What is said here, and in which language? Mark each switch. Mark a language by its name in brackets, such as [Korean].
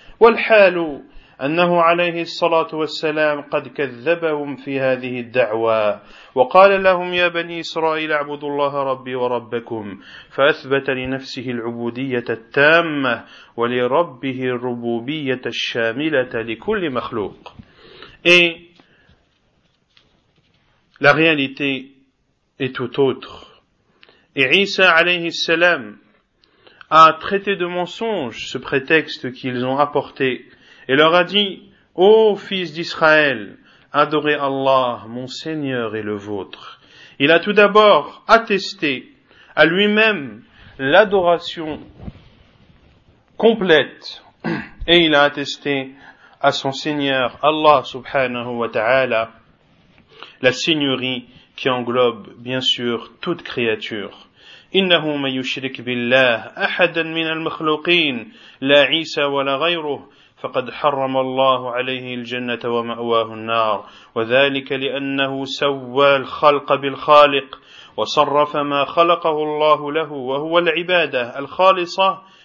[Arabic] والحال انه عليه الصلاه والسلام قد كذبهم في هذه الدعوه وقال لهم يا بني اسرائيل اعبدوا الله ربي وربكم فاثبت لنفسه العبوديه التامه ولربه الربوبيه الشامله لكل مخلوق. [French] La réalité est tout autre. Et Isa alayhi salam a traité de mensonge ce prétexte qu'ils ont apporté et leur a dit, ô fils d'Israël, adorez Allah, mon Seigneur et le vôtre. Il a tout d'abord attesté à lui-même l'adoration complète et il a attesté à son Seigneur Allah subhanahu wa ta'ala la seigneurie qui englobe bien sûr toute créature. [Arabic] إنه من يشرك بالله أحدا من المخلوقين لا عيسى ولا غيره فقد حرم الله عليه الجنة ومأواه النار وذلك لأنه سوى الخلق بالخالق وصرف ما خلقه الله له وهو العبادة الخالصة